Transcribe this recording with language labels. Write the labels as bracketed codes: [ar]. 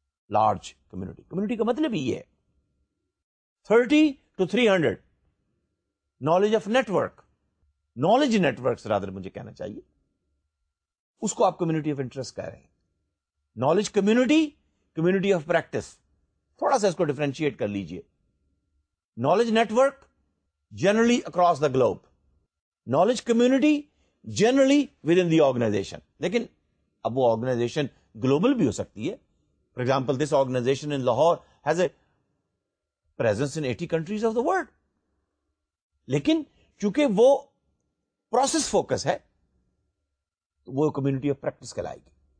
[ur] Large community, community کا مطلب یہ ہے 30 to 300. Knowledge of network, knowledge network rather مجھے کہنا چاہیے, اس کو آپ کمیونٹی آف انٹرسٹ کہہ رہے ہیں. Knowledge community, community of practice, تھوڑا سا اس کو ڈیفرنشیٹ کر لیجئے. [en] Knowledge network generally across the globe, knowledge community generally within the organization. [ur] لیکن اب وہ آرگنائزیشن گلوبل بھی ہو سکتی ہے. [en] For example, this organization in Lahore has a presence in 80 countries of the world. [ur] لیکن چونکہ وہ پروسیس فوکس ہے تو وہ کمیونٹی آف پریکٹس کہلائے گی.